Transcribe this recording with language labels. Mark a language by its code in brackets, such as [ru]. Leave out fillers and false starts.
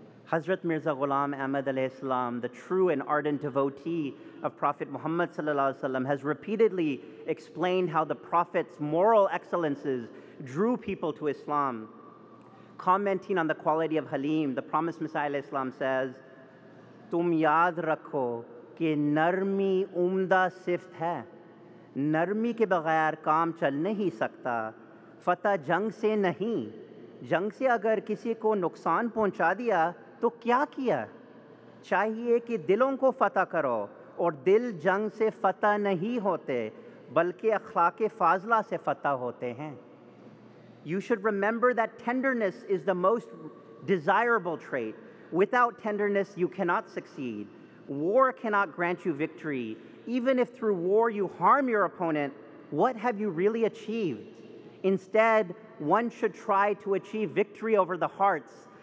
[en] Hazrat Mirza Ghulam Ahmad alayhi salam, the true and ardent devotee of Prophet Muhammad sallallahu alaihi wasallam, has repeatedly explained how the Prophet's moral excellences drew people to Islam. Commenting on the quality of Halim, the Promised Messiah alayhi salam says, [ur] "تم یاد رکھو کہ نرمی عمدہ صفت ہے۔ نرمی کے بغیر کام چل نہیں سکتا۔ فتح جنگ سے نہیں۔ جنگ سے اگر کسی کو نقصان پہنچا دیا، تو کیا کیا؟ چاہیے کہ دلوں کو فتح کرو، اور دل جنگ سے فتح نہیں ہوتے، بلکہ اخلاق فاضلہ سے فتح ہوتے ہیں۔" [en] You should remember that tenderness is the most desirable trait. Without tenderness, you cannot succeed. War cannot grant you victory. Even if through war you harm your opponent, what have you really achieved? Instead, one should try to achieve victory over the hearts.